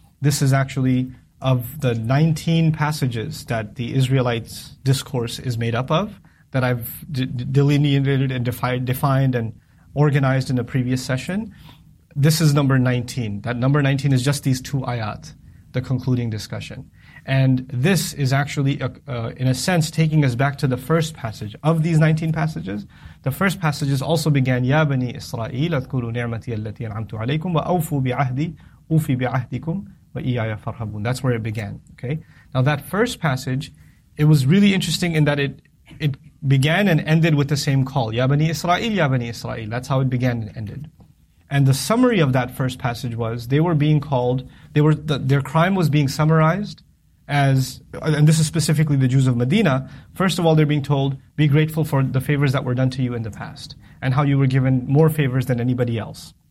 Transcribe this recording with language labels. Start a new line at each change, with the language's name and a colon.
English: This is actually of the 19 passages that the Israelites' discourse is made up of, that I've delineated and defined and organized in a previous session. This is number 19. That number 19 is just these two ayat, the concluding discussion. And this is actually, in a sense, taking us back to the first passage of these 19 passages. The first passages also began,
Arabic: يَا بَنِي إِسْرَائِيلَ اذْكُرُوا نِعْمَتِيَ الَّتِي أَنْعَمْتُ عَلَيْكُمْ وَأَوْفُوا بِعَهْدِي أُوفِي بِعَهْدِكُمْ وَإِيَّايَ فَارْهَبُونَ.
English: That's where it began. Okay. Now that first passage, it was really interesting in that it began and ended with the same call.
Arabic: يَا بَنِي إِسْرَائِيلَ يَا بَنِي إِسْرَائِيلَ.
English: That's how it began and ended. And the summary of that first passage was, they were being called, their crime was being summarized as, and this is specifically the Jews of Medina, first of all, they're being told, be grateful for the favors that were done to you in the past, and how you were given more favors than anybody else.